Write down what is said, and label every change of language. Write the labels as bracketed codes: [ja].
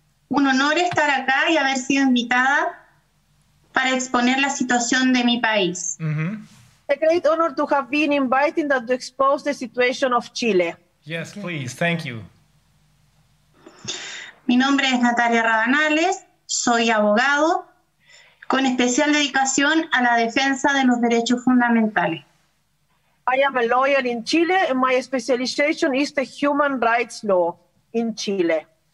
[es] Un honor estar acá y haber sido invitada para exponer la situación de mi país. [en] A great honor to have been invited and to expose the situation of Chile. Yes, okay. Please. Thank you. [es] Mi nombre es Natalia Ravanales, soy abogado con especial dedicación a la defensa de los derechos fundamentales. [en] I am a lawyer in Chile and my specialization is the human rights law in Chile.